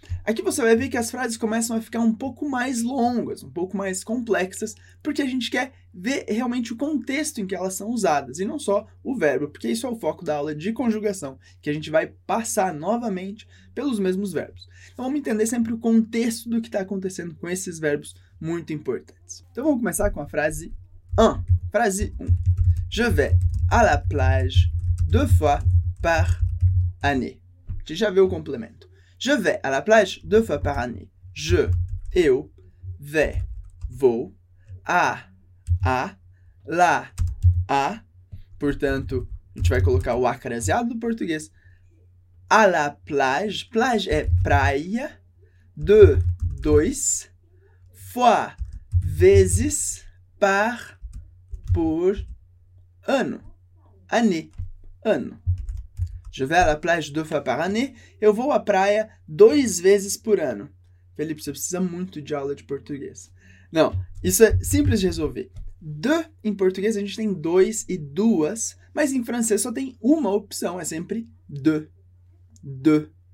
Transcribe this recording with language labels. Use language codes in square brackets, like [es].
[pt] Aqui você vai ver que as frases começam a ficar um pouco mais longas, um pouco mais complexas, porque a gente quer ver realmente o contexto em que elas são usadas, e não só o verbo, porque isso é o foco da aula de conjugação, que a gente vai passar novamente pelos mesmos verbos. Então, vamos entender sempre o contexto do que está acontecendo com esses verbos muito importantes. Então, vamos começar com a frase 1. Frase 1. [fr] Je vais à la plage deux fois par année. [pt] A gente já vê o complemento. [fr] Je vais à la plage deux fois par année. Je, eu, vais, vou, à, la, à. [pt] Portanto, a gente vai colocar o acraseado do português. [fr] À la plage. [pt] Plage é praia. De, dois. Fois, vezes, par, por, ano. Année, ano. [fr] Je vais à la plage deux fois par année. [pt] Eu vou à praia 2 vezes por ano. Felipe, você precisa muito de aula de português. Não, isso é simples de resolver. De, em português, a gente tem 2 e duas, mas em francês só tem uma opção, é sempre de. De.